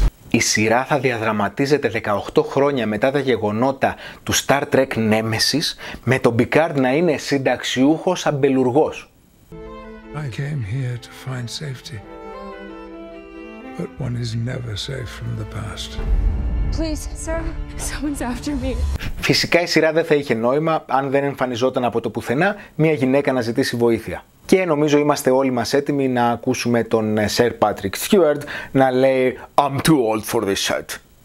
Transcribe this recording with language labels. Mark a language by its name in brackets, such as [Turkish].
[Greek] Η σειρά θα διαδραματίζεται 18 χρόνια μετά τα γεγονότα του Star Trek Nemesis, με τον Picard να είναι συνταξιούχος αμπελουργός. [English] I came here to find safety. But one is never safe from the past. Please, sir, someone's after me. [Greek] Φυσικά η σειρά δεν θα είχε νόημα αν δεν εμφανιζόταν από το πουθενά μια γυναίκα να ζητήσει βοήθεια. Και νομίζω είμαστε όλοι μας έτοιμοι να ακούσουμε τον Sir Patrick Stewart να λέει [English] I'm too old for this shit.